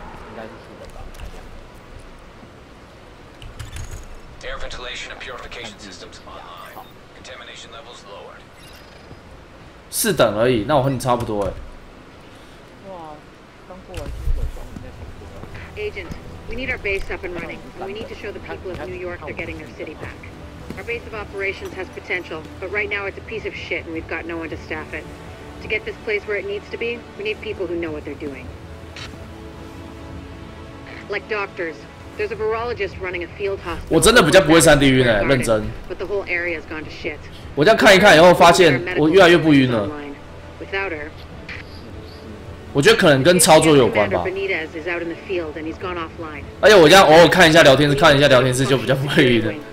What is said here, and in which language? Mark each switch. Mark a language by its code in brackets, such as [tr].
[zh] 应该是四等吧？看一下。 [en] Air ventilation and purification systems online. Contamination levels lowered. [zh] 四等而已，那我和你差不多哎、欸。哇，刚过完新手装，应该差不多了。 [en] Agent, we need our base up and running. We need to show the people of New York they're getting their city back. Our base of operations has potential, but right now it's a piece of shit, and we've got no one to staff it. To get this place where it needs to be, we need people who know what they're doing. Like doctors, there's a virologist running a field hospital. [zh] 我真的比较不会上地晕欸，认真。 [en] But the whole area's gone to shit. [zh] 我这样看一看以后，发现我越来越不晕了。 [en] Without her, [zh] 我觉得可能跟操作有关吧。 [en] Benitez is out in the field and he's gone offline. [zh] 而且我这样偶尔看一下聊天室，看一下聊天室就比较不会晕了。